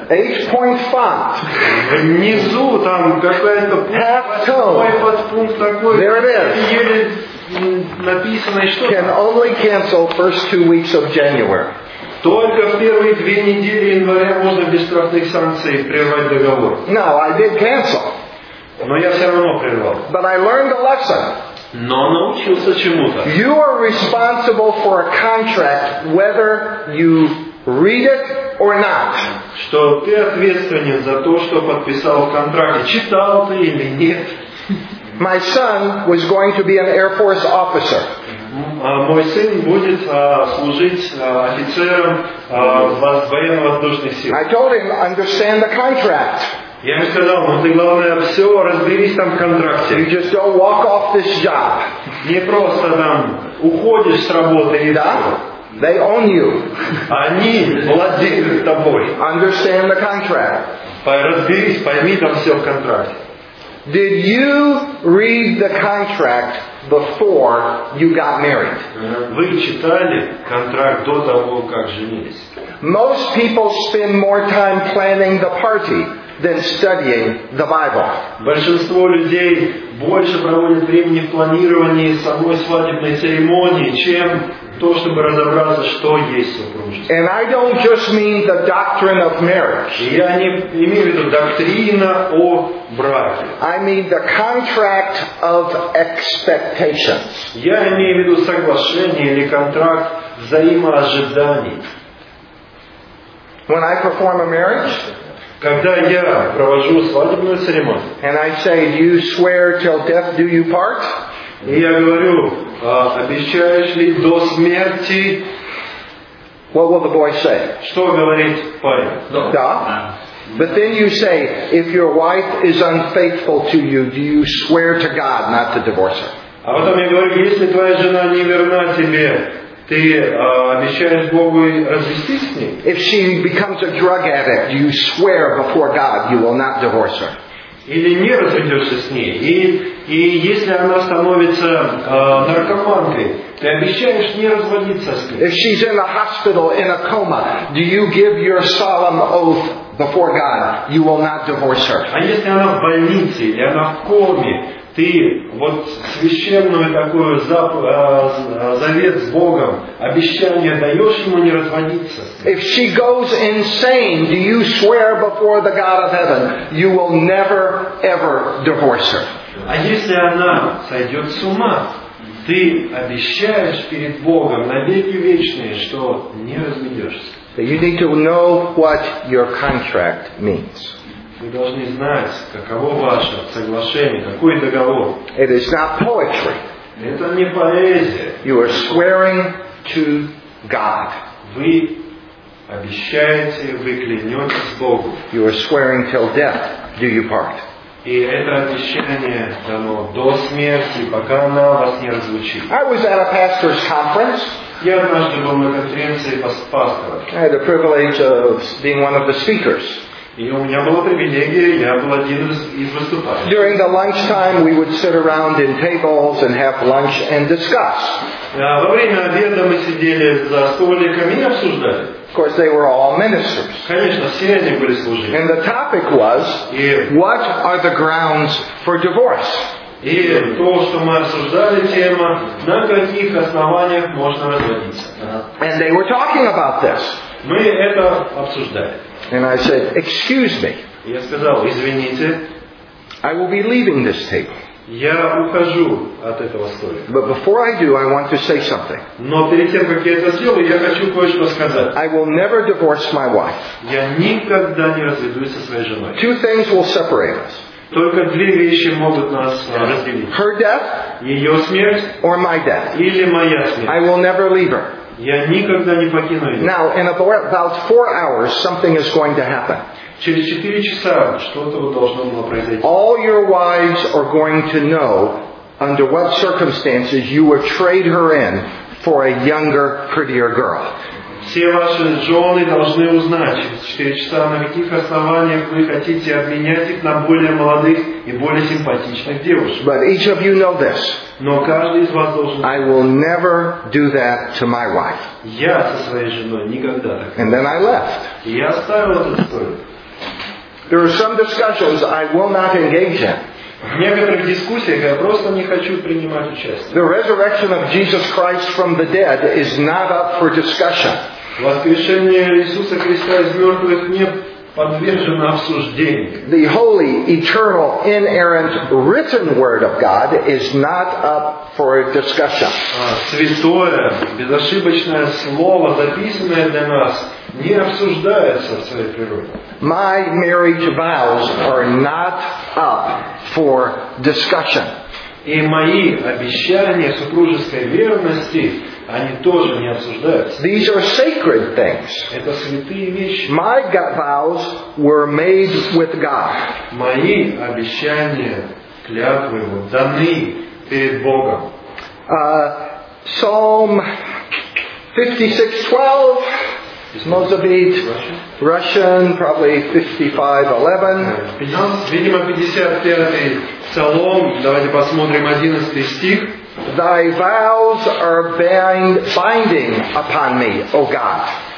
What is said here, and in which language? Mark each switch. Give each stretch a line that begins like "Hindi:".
English: 8-point font.
Russian: Внизу там какая-то подпункт такой.
English: There it is.
Russian: Еле написано, что
English: can only cancel first 2 weeks of January.
Russian: Только в первые 2 недели января можно без штрафных санкций прервать договор.
English: No, I did cancel.
Russian: Но я все равно прервал.
English: But I learned a lesson.
Russian: Но научился чему-то.
English: You are responsible for a contract, whether you read it or not.
Russian: Что ты ответственен за то, что подписал в контракте, читал ты или нет?
English: My son was going to be an Air Force officer.
Russian: Мой сын будет служить офицером военно-воздушных сил.
English: I told him, understand the contract.
Russian: Я ему сказал, ну ты главное все разберись там в контракте.
English: You just don't walk off this job.
Russian: Не просто там уходишь с работы и да? Все.
English: They own you.
Russian: Они владеют тобой.
English: Understand the contract.
Russian: Разберись, пойми там все в контракте.
English: Did you read the contract before you got married?
Russian: Вы читали контракт до того, как женились?
English: Most people spend more time planning the party than studying the Bible.
Russian: Большинство людей больше проводят времени в планировании самой свадебной церемонии, чем то, чтобы разобраться, что есть супружество.
English: And I don't just mean the doctrine of marriage.
Russian: Я не имею в виду доктрина о браке.
English: I mean the contract of expectations.
Russian: Я имею в виду соглашение или контракт взаимоожиданий.
English: When I perform a marriage,
Russian: когда я провожу свадебную церемонию,
English: and I say, do you swear till death do you part?
Russian: И я говорю, обещаешь ли до смерти?
English: What will the boy say?
Russian: Что говорит парень? Да.
English: But then you say, if your wife is unfaithful to you, do you swear to God not to divorce her?
Russian: А потом я говорю, если твоя жена не верна тебе, ты обещаешь Богу развестись с ней?
English: If she becomes a drug addict, do you swear before God you will not divorce her?
Russian: Или не разведешься с ней? И если она становится наркоманкой, ты обещаешь не разводиться с ней?
English: If she's in a hospital in a coma, do you give your solemn oath before God you will not divorce her?
Russian: А если она в больнице или она в коме, ты вот священную такую завет с Богом, обещание даешь ему не разводиться.
English: If she goes insane, do you swear before the God of heaven you will never ever divorce her?
Russian: А если она сойдет с ума, ты обещаешь перед Богом на веки вечные, что не разведешься.
English: You need to know what your contract means.
Russian: Вы должны знать, каково ваше соглашение, какой договор.
English: It is not poetry.
Russian: Это не поэзия.
English: You are swearing to God.
Russian: Вы обещаете, вы клянетесь Богу.
English: You are swearing till death. Do you part?
Russian: И это обещание дано до смерти, пока она вас не разлучит.
English: I was at a pastor's conference.
Russian: Я однажды был на конференции пастора.
English: I had the privilege of being one of the speakers.
Russian: И у меня была привилегия, я был один из выступающих.
English: During the lunchtime we would sit around in tables and have lunch and discuss.
Russian: Во время обеда мы сидели за столиками и обсуждали.
English: Of course they were all ministers.
Russian: Конечно, все они были служители.
English: And the topic was, what are the grounds for divorce?
Russian: И то, что мы обсуждали, тема, на каких основаниях можно разводиться.
English: And they were talking about this.
Russian: Мы это обсуждали.
English: And I said, excuse me.
Russian: Я сказал, извините.
English: I will be leaving this table.
Russian: Я ухожу от этого столика.
English: But before I do, I want to say something.
Russian: Но перед тем, как я это сделаю, я хочу кое-что сказать.
English: I will never divorce my wife.
Russian: Я никогда не разведусь со своей женой.
English: Two things will separate us.
Russian: Только две вещи могут нас разделить.
English: Her death,
Russian: ее смерть,
English: or my death.
Russian: Или моя смерть.
English: I will never leave her.
Russian: Я никогда не покину ее.
English: Now, in about 4 hours, something is going to happen.
Russian: Через 4 часа что-то должно было произойти.
English: All your wives are going to know under what circumstances you would trade her in for a younger, prettier girl.
Russian: Все ваши жены должны узнать через 4 часа, на каких основаниях вы хотите обменять их на более молодых и более симпатичных девушек.
English: But each of you know this.
Russian: Но каждый из вас должен.
English: I will never do that to my wife.
Russian: Я со своей женой никогда так.
English: And then I left.
Russian: Я оставил эту историю.
English: There are some discussions I will not engage in.
Russian: В некоторых дискуссиях я просто не хочу принимать участие.
English: The resurrection of Jesus Christ from the dead is not up for discussion.
Russian: Воскрешение Иисуса Христа из мертвых не подвержено обсуждению.
English: The holy, eternal, inerrant, written word of God is not up for discussion.
Russian: Святое, безошибочное слово, записанное для нас, не обсуждается в своей природе.
English: My marriage vows are not up for discussion.
Russian: И мои обещания супружеской верности, они тоже не обсуждаются.
English: These are sacred things.
Russian: Это святые вещи.
English: My vows were made with God.
Russian: Мои обещания, клятвы, даны перед Богом.
English: Psalm 56:12. Mozabit, Russian, probably 55:11. Thy vows are binding upon me, O God.